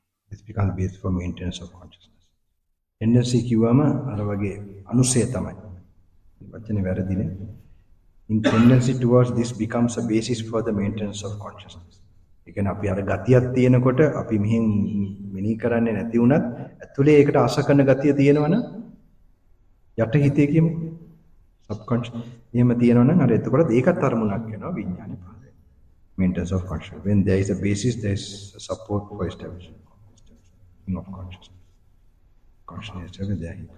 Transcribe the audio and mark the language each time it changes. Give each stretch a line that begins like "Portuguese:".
English: This becomes base for maintenance of consciousness.
Sinhala: Tendency කිව්වම අර වගේ අනුසය තමයි. මේ වචනේ වැරදිනේ.
English: In tendency towards this becomes a basis for the maintenance of consciousness.
Sinhala: ඒ කියන්නේ අපි අර ගතියක් තියෙනකොට අපි මෙහෙන් මෙනී කරන්නේ නැති වුණත් ඇතුලේ ඒකට අස කරන ගතිය තියෙනවනේ. යට හිතේ කියමු. Subconscious. එහෙම තියෙනවනම් අර එතකොට ඒකත් අරමුණක් වෙනවා විඥානෙ.
English: Maintenance of consciousness. When there is a basis, there is a support for establishing of consciousness. Consciousness is there.